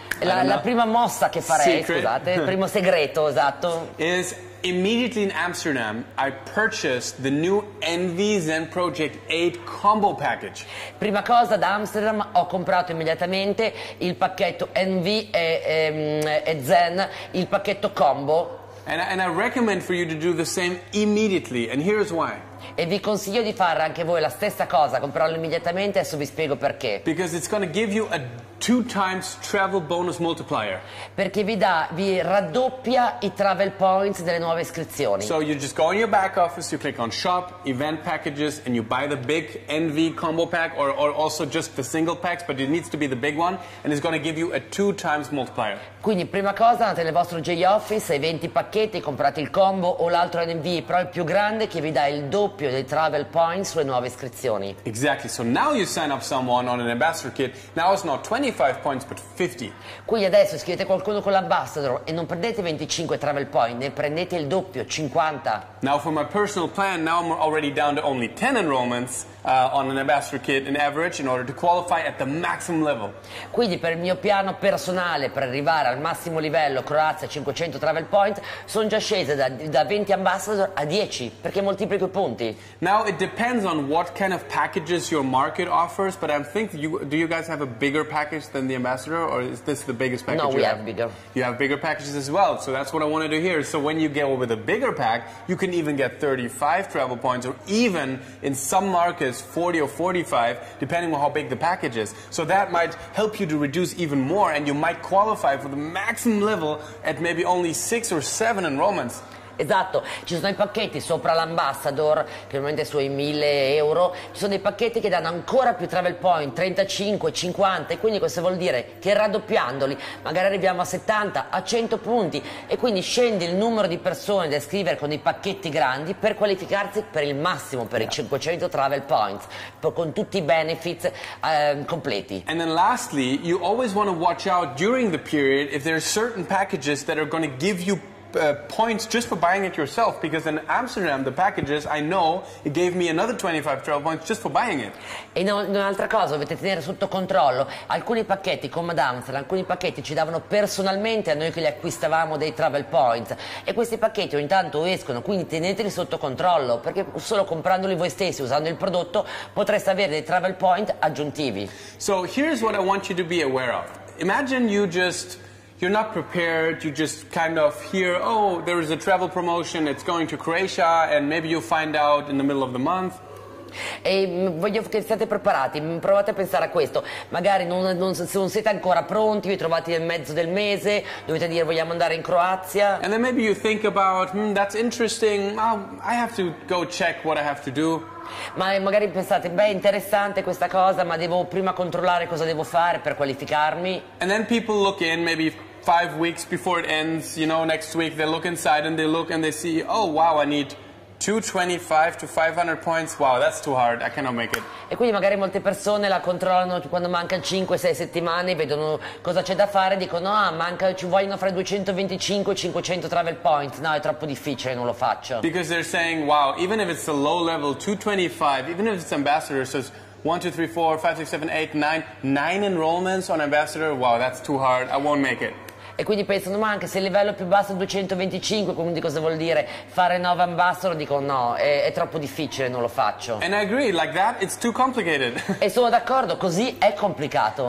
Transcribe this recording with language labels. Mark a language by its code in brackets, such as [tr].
[it] La prima mossa che farei, scusate, il primo segreto, esatto. [en] Is immediately in Amsterdam I purchased the new Envy Zen Project 8 combo package. [it] Prima cosa, da Amsterdam ho comprato immediatamente il pacchetto Envy e Zen, il pacchetto combo. [en] And I recommend for you to do the same immediately, and here's why. [it] e vi consiglio di fare anche voi la stessa cosa, comprarlo immediatamente e adesso vi spiego perché. [en] Because it's gonna give you a 2x travel bonus multiplier. [it] Perché vi raddoppia i travel points delle nuove iscrizioni. [en] So you just go in your back office, you click on shop, event packages, and you buy the big NV combo pack or also just the single packs, but it needs to be the big one, and it's gonna give you a 2x multiplier. [it] Quindi prima cosa andate nel vostro J Office, eventi pacchetti, comprate il combo o l'altro NV, però il più grande che vi dà il doppio dei travel points sulle nuove iscrizioni. [en] Exactly. So now you sign up someone on an ambassador kit, now it's not 25 points but 50. [it] Quindi adesso iscrivete qualcuno con l'ambassador e non prendete 25 travel points, ne prendete il doppio, 50. [en] Now for my personal plan, now I'm already down to only 10 enrollments on an ambassador kit in average in order to qualify at the maximum level. [it] Quindi per il mio piano personale per arrivare al massimo livello Croazia 500 travel points, sono già scese da 20 ambassador a 10 perché moltiplico i punti. [en] Now it depends on what kind of packages your market offers, but I think do you guys have a bigger package than the ambassador, or is this the biggest package? No, we have bigger. You have bigger packages as well, so that's what I wanted to hear. So when you get with a bigger pack, you can even get 35 travel points, or even in some markets 40 or 45, depending on how big the package is. So that might help you to reduce even more, and you might qualify for the maximum level at maybe only 6 or 7 enrollments. [it] Esatto, ci sono i pacchetti sopra l'ambassador, che ovviamente è sui 1000 euro, ci sono dei pacchetti che danno ancora più travel point, 35, 50, e quindi questo vuol dire che raddoppiandoli magari arriviamo a 70, a 100 punti, e quindi scende il numero di persone da iscrivere con i pacchetti grandi per qualificarsi per il massimo, per i 500 travel points, con tutti i benefits completi. [en] And then lastly, you always want to watch out during the period if there are certain packages that are going to give you points just for buying it yourself, because in Amsterdam the packages, I know it gave me another 25 travel points just for buying it. [it] E un'altra cosa dovete tenere sotto controllo, alcuni pacchetti come ad Amsterdam, alcuni pacchetti ci davano personalmente a noi che li acquistavamo dei travel points, e questi pacchetti ogni tanto escono, quindi teneteli sotto controllo, perché solo comprandoli voi stessi usando il prodotto potreste avere dei travel point aggiuntivi. [en] So here's what I want you to be aware of. Imagine you're not prepared, you just kind of hear, oh, there is a travel promotion, it's going to Croatia, and maybe you'll find out in the middle of the month. [it] E voglio che siate preparati, provate a pensare a questo. Magari non siete ancora pronti, vi trovate nel mezzo del mese, dovete dire vogliamo andare in Croazia. [en] And then maybe you think about, that's interesting, I have to go check what I have to do. [it] Ma magari pensate, beh, interessante questa cosa, ma devo prima controllare cosa devo fare per qualificarmi. [en] And then people look in, maybe 5 weeks before it ends, you know, next week, they look inside and they look and they see, oh wow, I need 225 to 500 points, wow, that's too hard, I cannot make it. [it] E quindi magari molte persone la controllano quando mancano 5-6 settimane, vedono cosa c'è da fare, dicono, ah, manca, ci vogliono fare 225 e 500 travel points, no, è troppo difficile, non lo faccio. [en] Because they're saying, wow, even if it's a low level, 225, even if it's ambassador, says 1, 2, 3, 4, 5, 6, 7, 8, 9 enrollments on ambassador, wow, that's too hard, I won't make it. [it] E quindi pensano, ma anche se il livello più basso è 225, quindi cosa vuol dire fare 9 ambassador? Dico no, è troppo difficile, non lo faccio. [en] And I agree, like that, it's too complicated. [it] E sono d'accordo, così è complicato.